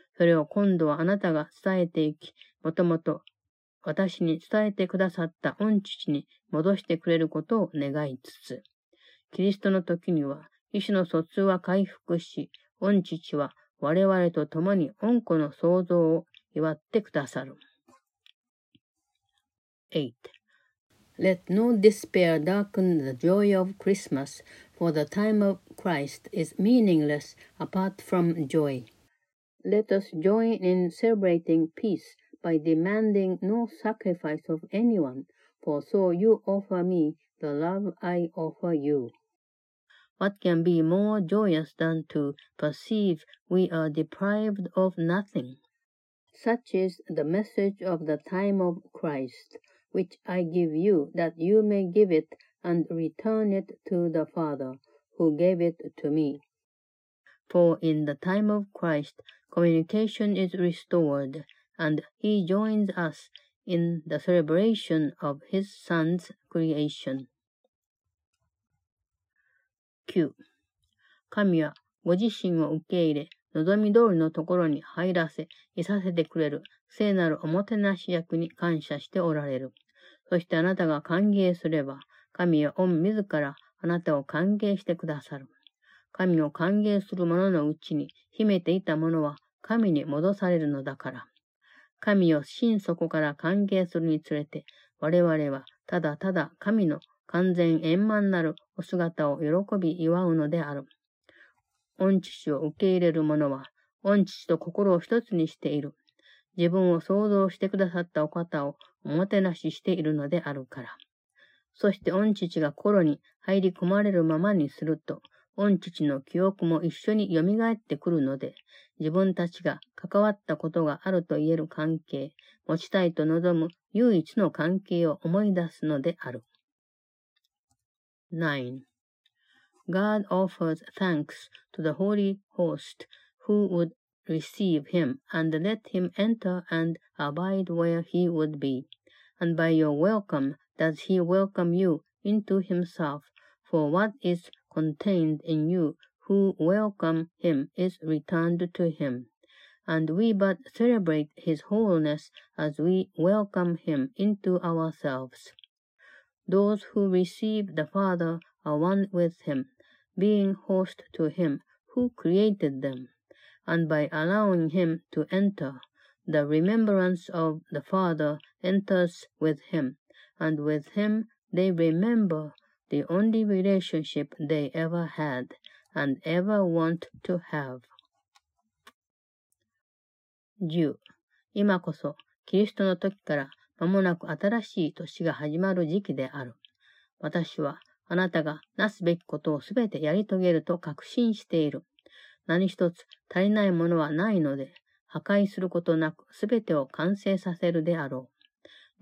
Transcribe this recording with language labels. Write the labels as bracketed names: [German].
[Japanese] それを今度はあなたが伝えていき、もともと私に伝えてくださった御父に戻してくれることを願いつつ、キリストの時には意思の疎通は回復し、御父は我々と共に御子の創造を祝ってくださる。 [English] 8. Let no despair darken the joy of Christmas, for the time of Christ is meaningless apart from joy. Let us join in celebrating peace by demanding no sacrifice of anyone, for so you offer me the love I offer you. What can be more joyous than to perceive we are deprived of nothing? Such is the message of the time of Christ. Which I give you, that you may give it and return it to the Father, who gave it to me. For in the time of Christ, communication is restored, and He joins us in the celebration of His Son's creation. Q. [Japanese] 神はご自身を受け入れ、望み通りのところに入らせ、いさせてくれる聖なるおもてなし役に感謝しておられる。そしてあなたが歓迎すれば、神は御自らあなたを歓迎してくださる。神を歓迎する者のうちに秘めていたものは神に戻されるのだから。神を心底から歓迎するにつれて、我々はただただ神の完全円満なるお姿を喜び祝うのである。御父を受け入れる者は、御父と心を一つにしている。自分を創造してくださったお方をおもてなししているのであるから。そして御父が心に入り込まれるままにすると、御父の記憶も一緒に蘇ってくるので、自分たちが関わったことがあると言える関係、持ちたいと望む唯一の関係を思い出すのである。 [English] 9. God offers thanks to the Holy Host who would receive him and let him enter and abide where he would be. And by your welcome does he welcome you into himself, for what is contained in you who welcome him is returned to him. And we but celebrate his wholeness as we welcome him into ourselves. Those who receive the Father are one with him, being host to him who created them. And by allowing him to enter,The remembrance of the Father enters with him, and with him they remember the only relationship they ever had and ever want to have. [Japanese] 今こそ、キリストの時から間もなく新しい年が始まる時期である。私は、あなたがなすべきことをすべてやり遂げると確信している。何一つ足りないものはないので、破壊することなくすべてを完成させるであろう。